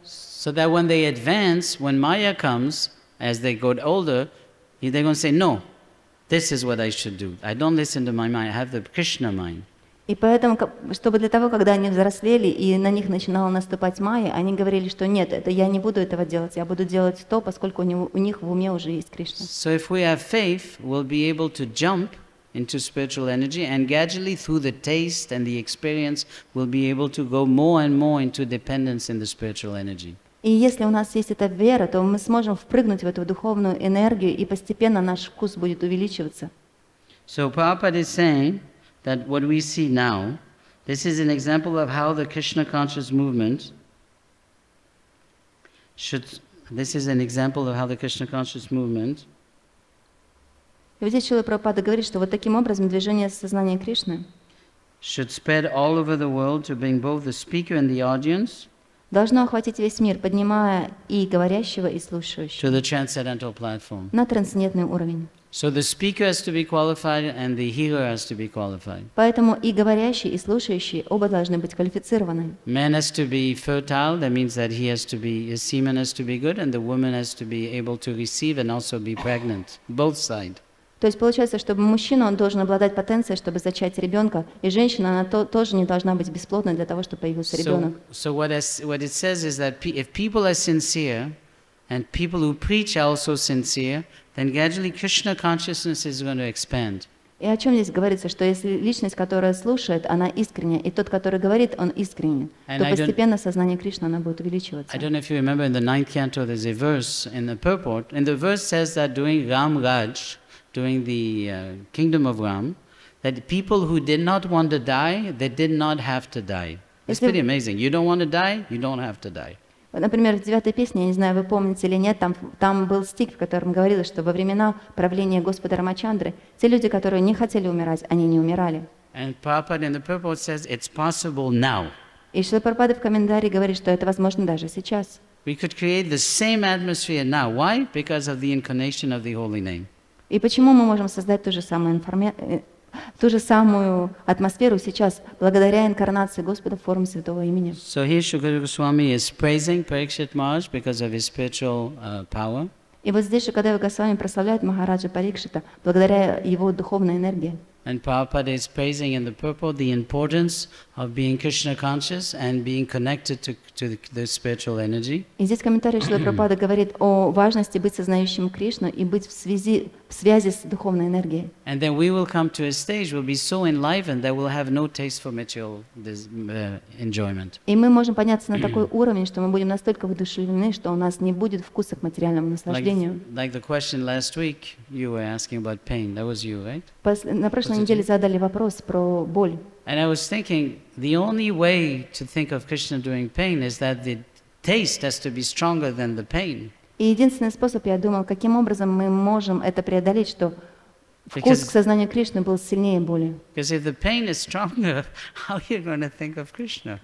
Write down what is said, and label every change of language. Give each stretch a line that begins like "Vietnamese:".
English: So that when they advance, when Maya comes, as they get older, they're going to say, no, this is what I should do. I don't listen to my mind, I have the Krishna mind.
Russian: И поэтому, чтобы для того, когда они взрослели, и на них начинала наступать Майя, они говорили, что нет, это я не буду этого делать, я буду делать то, поскольку у них в уме уже есть Кришна.
English: So if we have faith, we'll be able to jump into spiritual energy, and gradually through the taste and the experience, we'll be able to go more and more into dependence in the spiritual energy.
Russian: И если у нас есть эта вера, то мы сможем впрыгнуть в эту духовную энергию, и постепенно наш вкус будет увеличиваться.
English: So Prabhupada is saying that what we see now, this is an example of how the Krishna conscious movement should. This is an example of how the Krishna conscious movement.
Russian: Здесь Шрила Прабхупада говорит, что вот таким образом движение сознания Кришны
English: should spread all over the world to bring both the speaker and the audience.
Russian: Должно охватить весь мир, поднимая и говорящего, и слушающего.
English: To the transcendental platform.
Russian: На трансцендентный уровень.
English: So the speaker has to be qualified and the hearer has to be qualified.
Russian: Поэтому и говорящий, и слушающий оба должны быть квалифицированы.
English: Man has to be fertile, that means that he has to be, his semen has to be good, and the woman has to be able to receive and also be pregnant. Both sides.
Russian: То есть получается, чтобы мужчина, он должен обладать потенцией, чтобы зачать ребенка, и женщина, она тоже не должна быть бесплодной для того, чтобы появился ребенок.
English: So what it says is that if people are sincere, and people who preach are also sincere, then gradually Krishna consciousness is going to expand.
Russian: И о чем здесь говорится, что если личность, которая слушает, она искренняя, и тот, который говорит, он искренний, то постепенно сознание Кришны, оно будет увеличиваться.
English: I don't know if you remember in the ninth canto, there's a verse in the purport, and the verse says that during Ram Raj, during the kingdom of Ram, that people who did not want to die, they did not have to die. It's pretty amazing. You don't want to die, you don't have to die.
Russian: Например, в девятой песне, я не знаю, вы помните или нет, там был стих, в котором говорилось, что во времена правления Господа Рамачандры те люди, которые не хотели умирать, они не умирали.
English: And Prabhupada in the purport says it's possible now.
Russian: И Шрила Прабхупада в комментарии говорит, что это возможно даже сейчас.
English: We could create the same atmosphere now. Why? Because of the incarnation of the holy name.
Russian: И почему мы можем создать ту же самую атмосферу сейчас, благодаря инкарнации Господа в форме Святого имени?
English: So here Shukadeva Goswami is praising Parikshit Maharaj because of his spiritual power.
Russian: И вот здесь Шукадева Госвами прославляет Махараджа Парикшита благодаря его духовной энергии.
English: And Prabhupada is praising in the purport the importance of being Krishna conscious and being connected to the spiritual energy.
Russian: И здесь комментарий Шрила Прабхупада говорит о важности быть сознающим Кришну и быть в связи с духовной энергией.
English: And then we will come to a stage, we'll be so enlivened that we'll have no taste for material enjoyment.
Russian: И мы можем подняться на такой уровень, что мы будем настолько воодушевлены, что у нас не будет вкуса к материальному наслаждению.
English: Like the question last week, you were asking about pain. That was you, right?
Russian: На прошлой неделе задали вопрос про боль.
English: And I was thinking, the only way to think of Krishna during pain is that the taste has to be stronger than the pain.
Russian: И единственный способ, я думал, каким образом мы можем это преодолеть, что вкус к сознанию Кришны был сильнее боли.
English: Because if the pain is stronger, how are you going to think of Krishna?